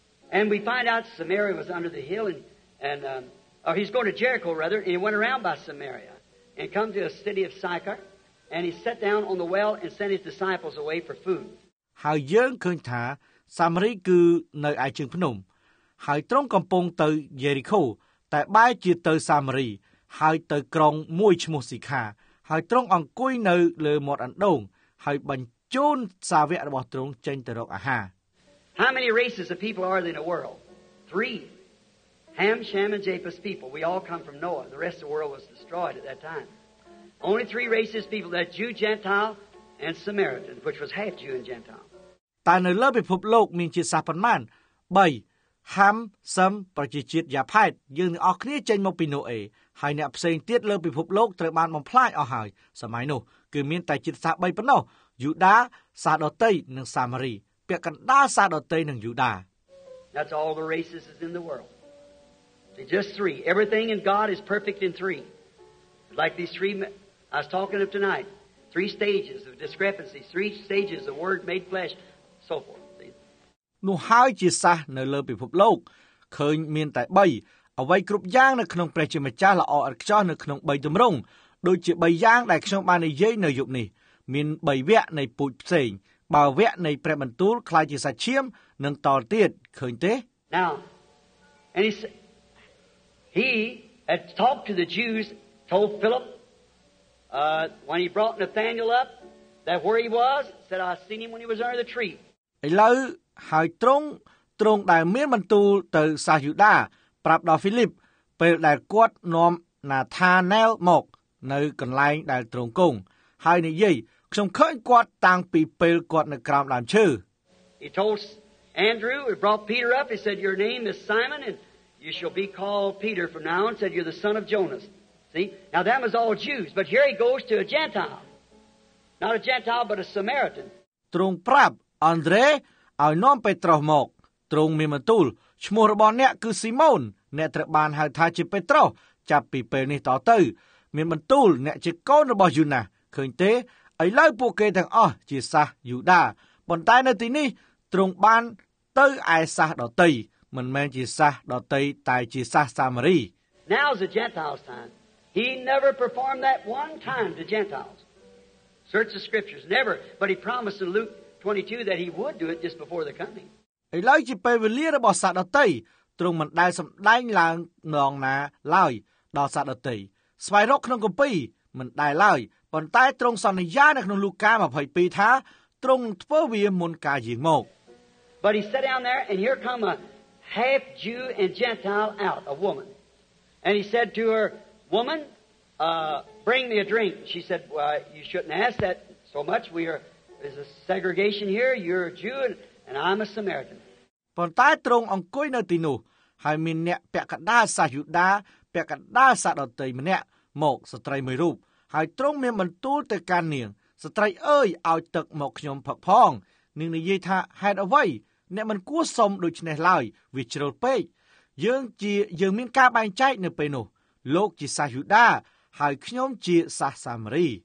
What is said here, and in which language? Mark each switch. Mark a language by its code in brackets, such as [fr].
[en] And we find out Samaria was under the hill and he's going to Jericho rather and he went around by Samaria and come to a city of Sychar and he sat down on the well and sent his disciples away for food [km] ហើយយើងឃើញថាសាម៉ារីគឺនៅឯជើងភ្នំហើយទ្រង់កំពុងទៅយេរីកូតែបែរជាទៅសាម៉ារីហើយទៅក្រុងមួយឈ្មោះស៊ីខាហើយទ្រង់អង្គុយនៅលើមាត់អណ្ដូងហើយបញ្ជូនសាវករបស់ទ្រង់ចេញទៅរកអាហារ [en] How many races of people are there in the world? 3 Ham, Shem and Japheth's people. We all come from Noah. The rest of the world was destroyed at that time. Only 3 races of people, that Jew, Gentile and Samaritan, which was half Jew and Gentile. [km] តែនៅលើពិភពលោកមានជាសាសន៍ប៉ុន្មាន? 3 Ham, Shem, ប្រជាជាតិយ៉ាផែតយើងទាំងអស់គ្នាចេញមកពីណូអេហើយអ្នកផ្សេងទៀតលើពិភពលោកត្រូវបានបំផ្លាញអស់ហើយសម័យនោះគឺមានតែជាតិសាសន៍ 3 ប៉ុណ្ណោះយូដាសាដតីនិងសាម៉ារីពាក់កណ្ដាលសាដតីនិងយូដា [en] That's all the races is in the world. They just 3. Everything in God is perfect in 3. Like these 3 I was talking of tonight. 3 stages of discrepancy, 3 stages of word made flesh so forth. [km] នោះហើយជាសាសន៍នៅលើពិភពលោកឃើញមានតែ3អ្វីគ្រប់យ៉ាងនៅក្នុងព្រះជាម្ចាស់ល្អឥតខ្ចោះនៅក្នុង3ទម្រង់ដូចជា3យ៉ាងដែលខ្ញុំបាននិយាយនៅយប់នេះមាន3វគ្គនៃពូជផ្សេងបើវគ្គនៃព្រះបន្ទូលខ្លាចជាសាច់ឈាមនឹងតទៀតឃើញទេ [en] Now and he had talked to the Jews told Philip when he brought Nathanael up that where he was said I seen him when he was under the tree [km] ឥឡូវហើយត្រង់ដែលមានបន្ទូលទៅសាសយូដាប្រាប់ដល់ហ្វីលីបពេលដែលគាត់នាំណាថាណែលមកនៅកន្លែងដែលទ្រង់គង់ហើយនិយាយខ្ញុំឃើញគាត់តាំងពីពេលគាត់នៅក្រោមដើមឈើ [en] He told Andrew he brought Peter up he said your name is Simon and you shall be called Peter from now on said you're the son of Jonas See now that was all Jews but here he goes to a Gentile not a Gentile but a Samaritan [km] ទ្រង់ប្រាប់អង់ដ្រេឲ្យនាំពេត្រុសមកទ្រង់មានបន្ទូលឈ្មោះរបស់អ្នកគឺស៊ីម៉ូនអ្នកត្រូវបានហៅថាជាពេត្រុសចាប់ពីពេលនេះតទៅមានបន្ទូលអ្នកជាកូនរបស់យូណាសឃើញទេឥឡូវពួកគេទាំងអស់ជាសាសយូដាប៉ុន្តែនៅទីនេះទ្រង់បានទៅឯសាសដតីមិនមែនជាសាសដតីតែជាសាសសាម៉ារី [en] Now is a Gentile son he never performed that one time to Gentiles search the scriptures never but he promised in Luke 22 that he would do it just before the coming [km] ឥឡូវជាពេលវេលារបស់សាសដតីទ្រង់មិនដែលសម្ដែងឡើងនងណាឡើយដល់សាសដតីស្វែងរកក្នុងគម្ពីរមិនដែលឡើយប៉ុន្តែទ្រង់សន្យានៅក្នុងលូកា22ថាទ្រង់ធ្វើវាមុនការយាងមក [en] But he sat down there and here come a half Jew and Gentile out a woman and he said to her woman bring me a drink she said well you shouldn't ask that so much we are there's a segregation here you're a Jew and I'm a Samaritan [km] ប៉ុន្តែទ្រង់អង្គុយនៅទីនោះហើយមានអ្នកពាក់កណ្ដាលសាសយូដាពាក់កណ្ដាលសាសដតីម្នាក់មកស្ត្រីមួយរូបហើយទ្រង់មានបន្ទូលទៅកាន់នាងស្ត្រីអើយឲ្យទឹកមកខ្ញុំផឹកផងនាងនិយាយថាហេតុអ្វីអ្នកមិនគួរសុំដូច្នេះឡើយវាជ្រុលពេកយើងមានការបែងចែកនៅពេលនោះលោកជាសាសយូដាហើយខ្ញុំជាសាសសាម៉ារី